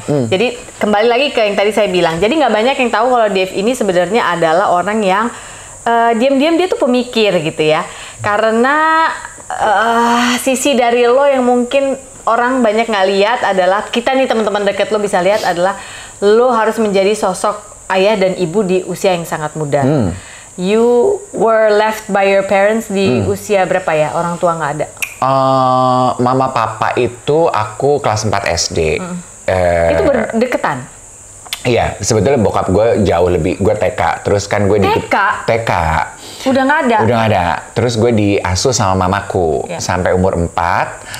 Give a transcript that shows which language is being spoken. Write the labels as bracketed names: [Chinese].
[Indonesian] Jadi kembali lagi ke yang tadi saya bilang, jadi nggak banyak yang tahu kalau Dave ini sebenarnya adalah orang yang diam-diam dia tuh pemikir gitu ya. Karena sisi dari lo yang mungkin orang banyak nggak lihat adalah, kita nih teman-teman deket lo bisa lihat adalah lo harus menjadi sosok ayah dan ibu di usia yang sangat muda. [English] You were left by your parents [Indonesian] di usia berapa ya? Orang tua gak ada? Mama papa itu aku kelas 4 SD. Itu berdekatan? Iya, sebetulnya bokap gue jauh lebih, gue TK. Terus kan gue TK? Udah gak ada? Udah gak ada. Terus gue diasuh sama mamaku sampai umur 4.